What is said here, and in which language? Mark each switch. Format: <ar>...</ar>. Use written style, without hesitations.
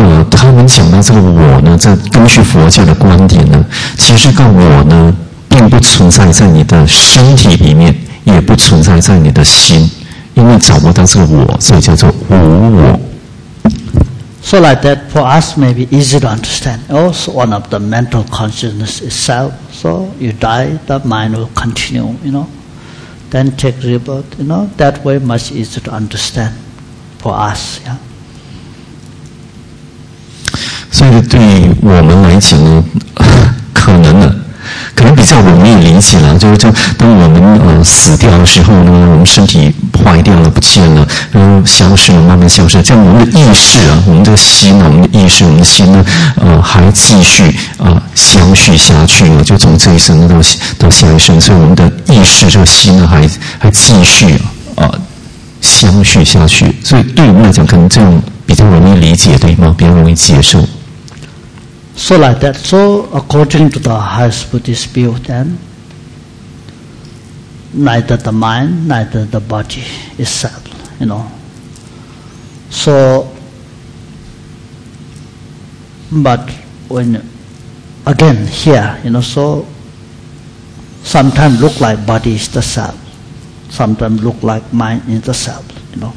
<zh>他们讲到这个我呢，这根据佛教的观点呢，其实这个我呢并不存在在你的身体里面，也不存在在你的心，因为找不到这个我，所以叫做无我。</zh> <en>So like that for us maybe easy to understand. Also one of the mental consciousness itself. So you die, the mind will continue, you know, then take rebirth, you know, that way much easier to understand for us, yeah.</en> <zh>所以对于我们来讲呢，可能比较容易理解了。就当我们死掉的时候呢，我们身体坏掉了，不见了，然后消失了，慢慢消失了。这样我们的意识啊，我们的心啊，我们的意识，我们的心呢，还继续相续下去了，就从这一生到下一生。所以我们的意识这个心呢，还继续相续下去。所以对我们来讲，可能这样。比较容易理解，对吗？比较容易接受。</zh> <en>So like that. So according to the highest Buddhist view, then neither the mind, neither the body itself, you know. So, but when, again, here, you know, so sometimes look like body is the self, sometimes look like mind is the self, you know.</en>